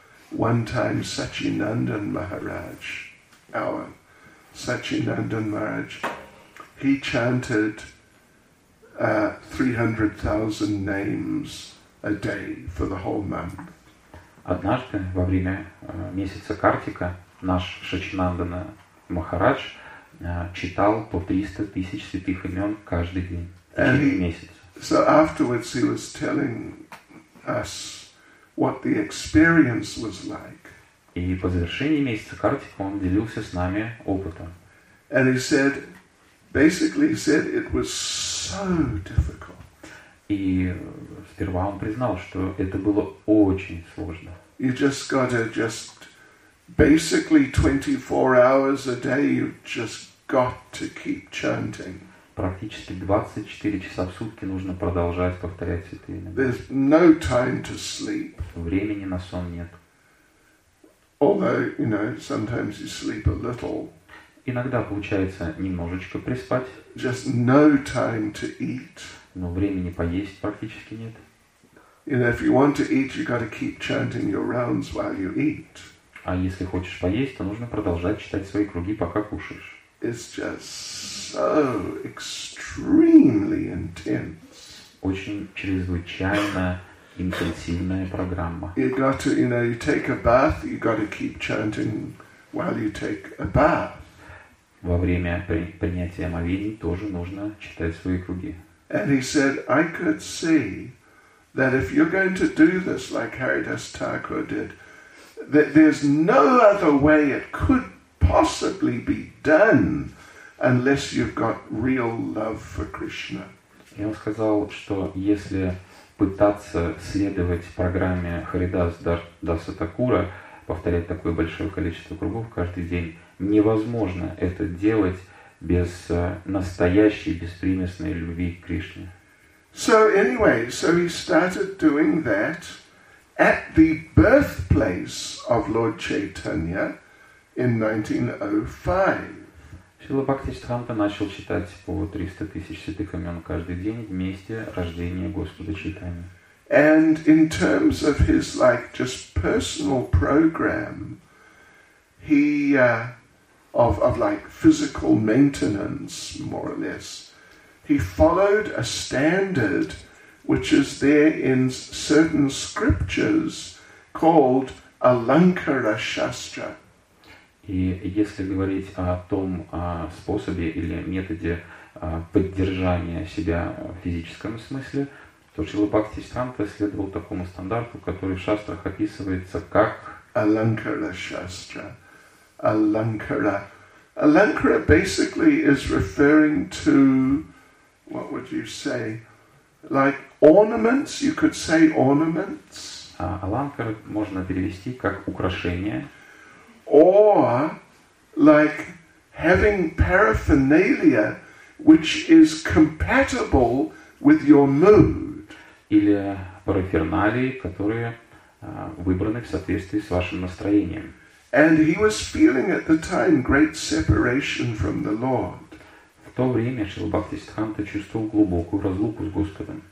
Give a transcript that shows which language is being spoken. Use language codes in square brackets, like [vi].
[en] One time, Sachinandan Maharaj, our Sachinandan Maharaj, he chanted 300,000 names a day for the whole month. [ru] Однажды во время месяца Картика наш Сачинандана Махарадж читал по 300,000 святых имен каждый день каждый месяц. [en] So afterwards, he was telling us what the experience was like. [ru] И по завершении месяца Картика он делился с нами опытом. [en] And he said, basically he said, it was so difficult. [ru] И сперва он признал, что это было очень сложно. [en] You just gotta just basically 24 hours a day, you just got to keep chanting. [ru] Практически 24 часа в сутки нужно продолжать повторять святые имена. [en] There's no time to sleep. [ru] Времени на сон нет. [en] Although, you know, sometimes you sleep a little. [ru] Иногда получается немножечко приспать. [en] Just no time to eat. [ru] Но времени поесть практически нет. [en] You know, if you want to eat, you got to keep chanting your rounds while you eat. [ru] А если хочешь поесть, то нужно продолжать читать свои круги, пока кушаешь. [en] It's just so extremely intense. [ru] Очень чрезвычайно интенсивная программа. [en] You got to, you know, you take a bath, you got to keep chanting while you take a bath. [ru] Во время принятия омовений тоже нужно читать свои круги. [en] And he said, I could see that if you're going to do this like Haridas Thakur did, that there's no other way it could possibly be done unless you've got real love for Krishna. [ru] И он сказал, что если пытаться следовать программе Харидас Даса Такура, повторять такое большое количество кругов каждый день, невозможно это делать без настоящей беспримесной любви к Кришне. [en] So anyway, so he started doing that at the birthplace of Lord Chaitanya. In 1905. [ru] Шрила Бхакти Сиддханта начал читать по 300,000 святых имен каждый день вместе рождения Господа Чайтаньи. [en] And in terms of his like just personal program, he of like physical maintenance more or less, he followed a standard which is there in certain scriptures called [ru] Аланкара Шастра. И если говорить о том способе или методе поддержания себя в физическом смысле, то Шрила Бхакти Сиддханта следовал такому стандарту, который в шастрах описывается как Аланкара Шастра. Аланкара. [en] Аланкара basically is referring to, what would you say, like ornaments, you could say ornaments. [ru] Аланкара можно перевести как украшение. [en] Or like having paraphernalia which is compatible with your mood. [ru] Или параферналии, которые выбраны в соответствии с вашим настроением. [en] And he was feeling at the time great separation from the Lord. [ru] В то время Шрила Бхакти Сиддханта чувствовал глубокую разлуку с Господом.